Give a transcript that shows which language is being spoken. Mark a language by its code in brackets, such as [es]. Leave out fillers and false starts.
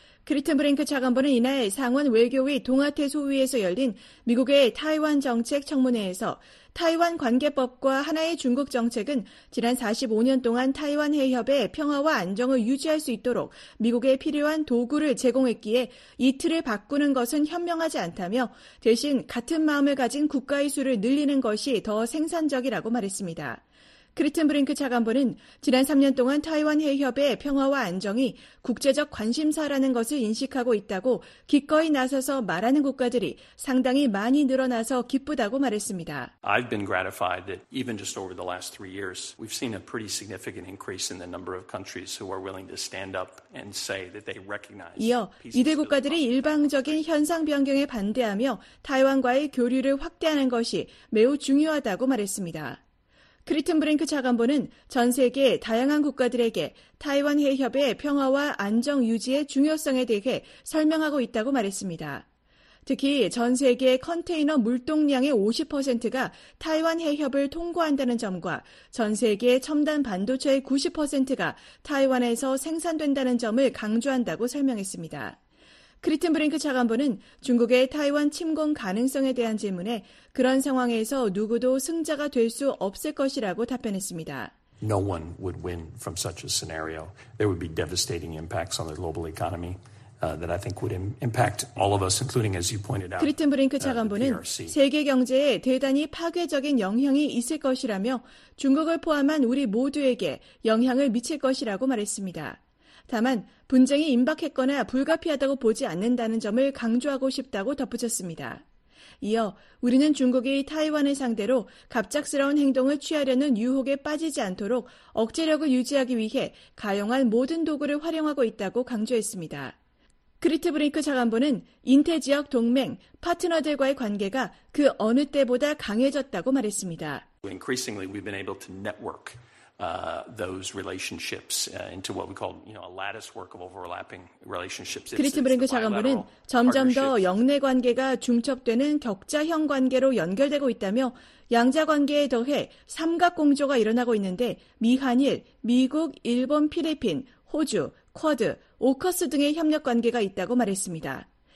[ko] 크리튼브링크 차관보는 이날 상원 외교위 동아태 소위에서 열린 미국의 타이완 정책 청문회에서 타이완 관계법과 하나의 중국 정책은 지난 45년 동안 타이완 해협의 평화와 안정을 유지할 수 있도록 미국에 필요한 도구를 제공했기에 이 틀을 바꾸는 것은 현명하지 않다며 대신 같은 마음을 가진 국가의 수를 늘리는 것이 더 생산적이라고 말했습니다. 크리튼브링크 차관보는 지난 3년 동안 타이완 해협의 평화와 안정이 국제적 관심사라는 것을 인식하고 있다고 기꺼이 나서서 말하는 국가들이 상당히 많이 늘어나서 기쁘다고 말했습니다. [en] I've been gratified that even just over the last three years, we've seen a pretty significant increase in the number of countries who are willing to stand up and say that they recognize. [ko] 이어 이들 국가들이 일방적인 현상 변경에 반대하며 타이완과의 교류를 확대하는 것이 매우 중요하다고 말했습니다. 크리튼브링크 차관보는 전 세계 다양한 국가들에게 타이완 해협의 평화와 안정 유지의 중요성에 대해 설명하고 있다고 말했습니다. 특히 전 세계 컨테이너 물동량의 50%가 타이완 해협을 통과한다는 점과 전 세계 첨단 반도체의 90%가 타이완에서 생산된다는 점을 강조한다고 설명했습니다. 크리튼브링크 차관보는 중국의 타이완 침공 가능성에 대한 질문에 그런 상황에서 누구도 승자가 될 수 없을 것이라고 답변했습니다. [en] No one would win from such a scenario. There would be devastating impacts on the global economy. That I think would impact all of us, including, as you pointed out, [ko] 크리튼브링크 차관보는 세계 경제에 대단히 파괴적인 영향이 있을 것이라며 중국을 포함한 우리 모두에게 영향을 미칠 것이라고 말했습니다. 다만 분쟁이 임박했거나 불가피하다고 보지 않는다는 점을 강조하고 싶다고 덧붙였습니다. 이어 우리는 중국이 타이완을 상대로 갑작스러운 행동을 취하려는 유혹에 빠지지 않도록 억제력을 유지하기 위해 가용한 모든 도구를 활용하고 있다고 강조했습니다. 크리트브링크 차관보는 인태 지역 동맹, 파트너들과의 관계가 그 어느 때보다 강해졌다고 말했습니다. [en] Increasingly, we've been able to network. Those relationships into what we call, you know, a lattice work of overlapping relationships. [ko] 크리튼브링크 차관보는 점점 더 역내 관계가 중첩되는 격자형 관계로 연결되고 있다며 양자 관계에 더해 삼각공조가 일어나고 있는데 미한일, 미국, 일본, 필리핀, 호주, 쿼드, 오커스 등의 협력 관계가 있다고 말했습니다.